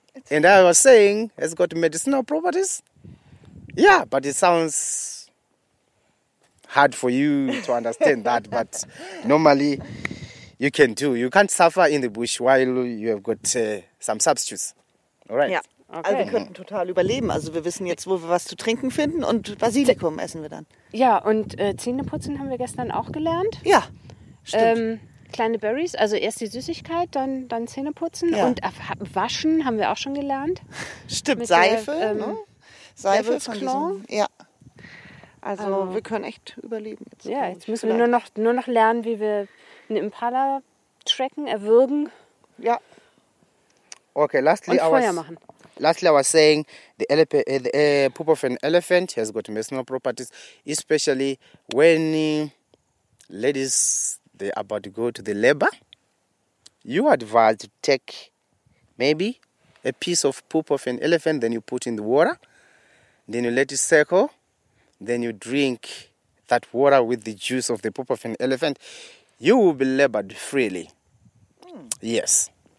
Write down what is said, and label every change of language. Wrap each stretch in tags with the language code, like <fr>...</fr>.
<en>And I was saying it's got medicinal properties. Yeah, but it sounds hard for you to understand that, but normally you can do. You can't suffer in the bush while you have got some substitutes. All right.</en> <de>Ja, okay. Also wir könnten total überleben. Also wir wissen jetzt, wo wir was zu trinken finden, und Basilikum essen wir dann. Ja, und Zähneputzen haben wir gestern auch gelernt. Ja, stimmt. Kleine Berries, also erst die Süßigkeit, dann Zähneputzen. Ja. Und waschen haben wir auch schon gelernt. Stimmt, mit Seife, der, ne? Seife von diesem, ja. Also wir können echt überleben. Jetzt, ja, jetzt müssen vielleicht. wir nur noch lernen, wie wir einen Impala tracken, erwürgen. Ja.</de> <en>Okay, lastly,</en> <de>und Feuer</de> <en>I was,</en> <de>machen.</de> <en>Lastly, I was saying, the poop of an elephant has got medicinal properties, especially when ladies, they are about to go to the labor, you advise to take maybe a piece of poop of an elephant, then you put in the water, then you let it circle, then you drink that water with the juice of the poop of an elephant, you will be labored freely. Mm. Yes.</en>